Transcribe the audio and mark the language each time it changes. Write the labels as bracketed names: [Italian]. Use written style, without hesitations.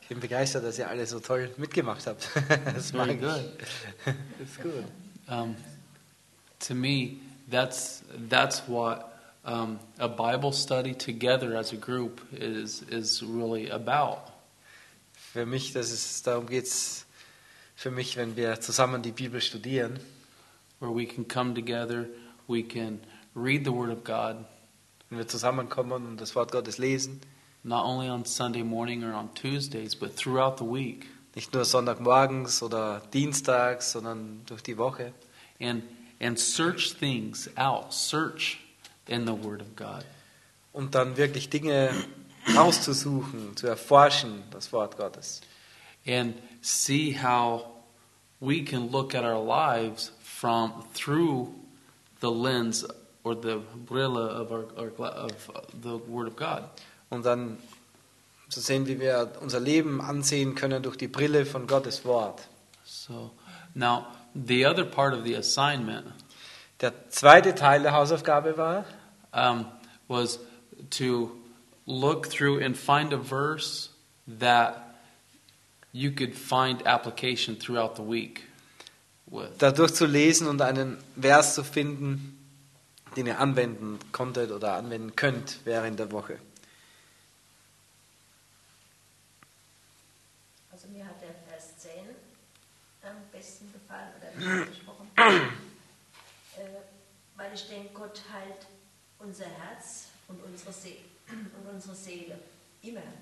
[German] Ich bin begeistert, dass ihr alle so toll mitgemacht habt. [English] That's very good. It's good. To me, that's what a Bible study together as a group is really about. [German] Für mich, das ist, darum geht's für mich, wenn wir zusammen die Bibel studieren. [English] Where we can come together, we can read the Word of God. [German] Wenn wir zusammenkommen und das Wort Gottes lesen. [English] Not only on Sunday morning or on Tuesdays, but throughout the week. [German] Nicht nur sonntagmorgens oder dienstags, sondern durch die Woche. [English] And search things out, search in the Word of God. [German] Und dann wirklich Dinge auszusuchen, zu erforschen, das Wort Gottes. [English] And see how we can look at our lives from through the lens or the brille of the Word of God. [German] Und dann zu sehen, wie wir unser Leben ansehen können durch die Brille von Gottes Wort. [English] So, now the other part of the assignment. [German] Der zweite Teil der Hausaufgabe war [English] was to look through and find a verse that you could find application throughout the week with. [German] Dadurch zu lesen und einen Vers zu finden, den ihr anwenden konntet oder anwenden könnt während der Woche. Also mir hat der Vers 10 am besten gefallen, oder weil ich denke, Gott heilt unser Herz und unsere Seele immer.